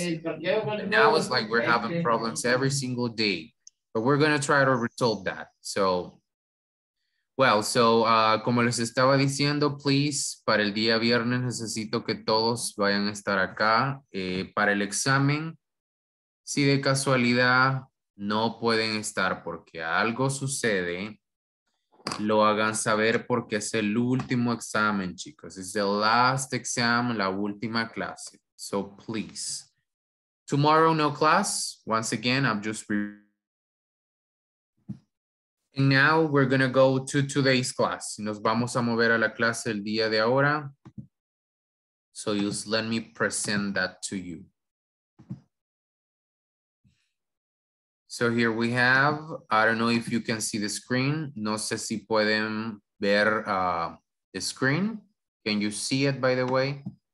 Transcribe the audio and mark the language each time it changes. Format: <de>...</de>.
<en>And now it's like we're having problems every single day. But we're going to try to resolve that. So, well, so,</en> <es>como les estaba diciendo,</es> <en>please,</en> <es>para el día viernes necesito que todos vayan a estar acá. Para el examen, si de casualidad no pueden estar porque algo sucede, lo hagan saber porque es el último examen, chicos.</es> <en>It's the last exam,</en> <es>la última clase.</es> <en>So please. Tomorrow, no class. Once again, I'm just... And now we're going to go to today's class.</en> <es>Nos vamos a mover a la clase el día de ahora.</es> <en>So just let me present that to you. So here we have, I don't know if you can see the screen.</en> <es>No sé si pueden ver</es> <en>the screen. Can you see it, by the way?</en>